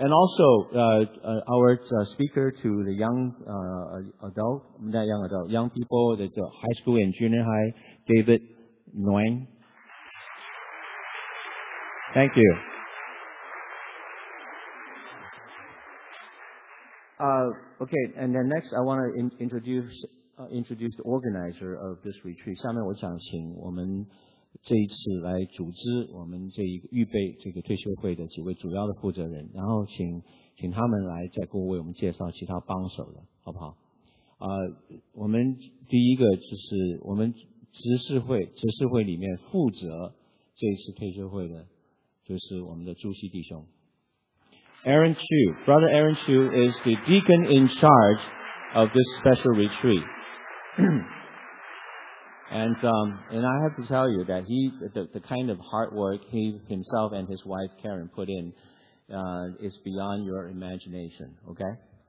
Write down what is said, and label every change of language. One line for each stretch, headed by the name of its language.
English: And also, our speaker to the young people, the high school and junior high, David Nguyen. Thank you. Okay, and then next, I want to introduce the organizer of this retreat.
Chinese: 下面我想请我们 这一次来组织我们这一预备这个退休会的几位主要的负责人，然后请他们来再给我们介绍其他帮手的，好不好？我们第一个就是我们执事会里面负责这一次退休会的，就是我们的朱熹弟兄 Aaron Chu.
English: Brother Aaron Chu is the deacon in charge of this special retreat. And I have to tell you that the kind of hard work he himself and his wife Karen put in is beyond your imagination, okay?